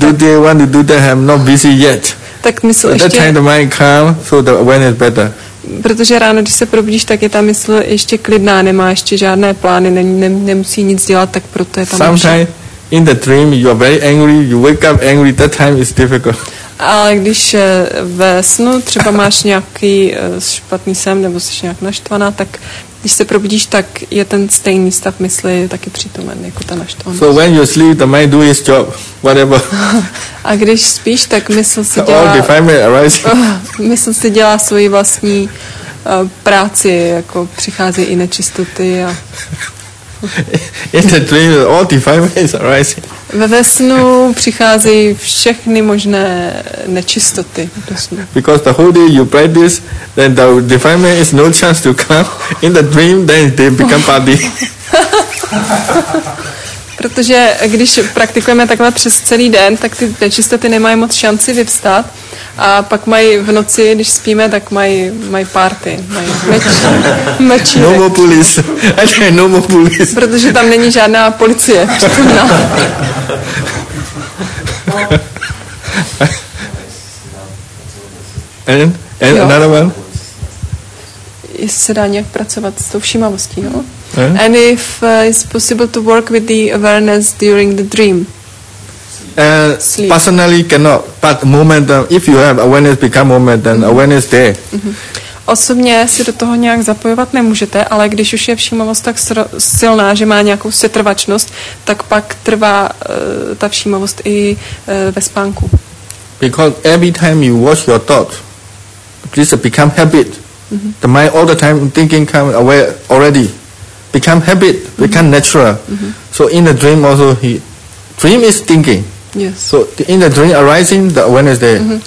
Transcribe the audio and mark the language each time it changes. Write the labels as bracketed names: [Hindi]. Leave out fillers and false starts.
[English] to do this, want to do that, I'm not busy yet. [Czech] Tak mysl ještě. [English] That time the mind calm, so the awareness better. [Czech] Protože ráno, když se probudíš, tak je ta mysl ještě klidná, nemá ještě žádné plány, nemusí nic dělat, tak proto je tam. [English] Sometimes in the dream you are very angry, you wake up angry. That time is difficult. [Czech] Ale když ve snu třeba máš nějaký špatný sen nebo jsi nějak naštvaná, tak když se probudíš, tak je ten stejný stav mysli taky přítomen, jako ta naštvanost. [English] So when you sleep, the mind do its job, whatever. [Czech] A když spíš, tak mysl si dělá mysl si dělá svoji vlastní práci, jako přichází i nečistoty a [English] in the dream, all defilements arise. [Czech] Ve vesnu přicházejí všechny možné nečistoty do snu. [English] Because the whole day you practice, then the defilement is no chance to come. In the dream, then they become body. [Czech] Protože když praktikujeme takhle přes celý den, tak ty nečistoty nemají moc šanci vyvstat. A pak mají v noci, když spíme, tak mají party, mají mečí. [English] No more police. I say no more police. [Czech] Protože tam není žádná policie přítomná. [English] And another one? [Czech] Jestli se dá nějak pracovat s tou všímavostí, no? [English] And if it's possible to work with the awareness during the dream. Sleep. Personally cannot, but momentum, if you have awareness become momentum, awareness there. [Czech] Osobně si do toho nějak zapojovat nemůžete, ale když už je všímavost tak silná, že má nějakou setrvačnost, tak pak trvá ta všímavost i ve spánku. [English] Because every time you watch your thought, this become habit. The mind all the time thinking come aware already. Become habit, become natural. So in the dream also, dream is thinking. Yes. So in the dream arising, the awareness there.